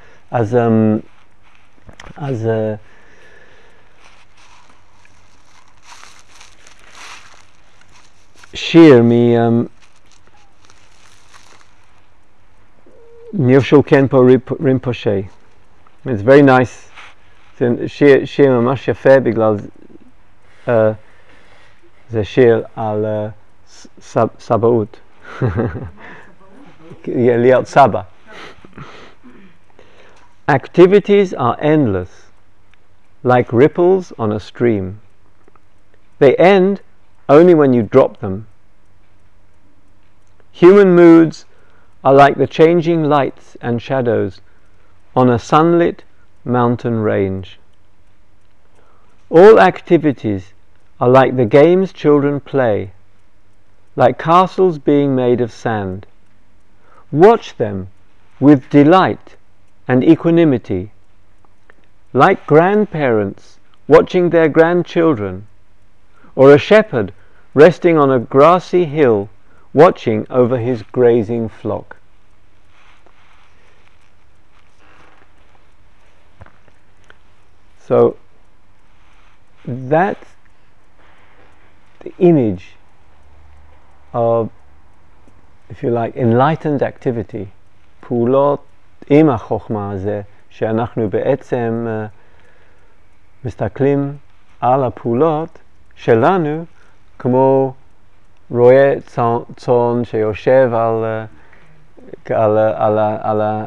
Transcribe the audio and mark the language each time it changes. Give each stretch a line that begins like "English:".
Hebrew: אז אז שיר מ מיושל קנפו רימפושי.
English: It's very nice.
Hebrew: זה שיר, שיר ממש יפה בגלל זה שיר על סבאות. להיות סבא.
English: Activities are endless, like ripples on a stream. They end only when you drop them. Human moods are like the changing lights and shadows on a sunlit mountain range. All activities are like the games children play, like castles being made of sand. Watch them with delight and equanimity, like grandparents watching their grandchildren, or a shepherd resting on a grassy hill watching over his grazing flock. So that's the image of, if you like, enlightened activity.
Hebrew: Pulot עם החוכמה הזה, שאנחנו בעצם מסתכלים על הפעולות שלנו כמו רואה צאן שיושב על על על על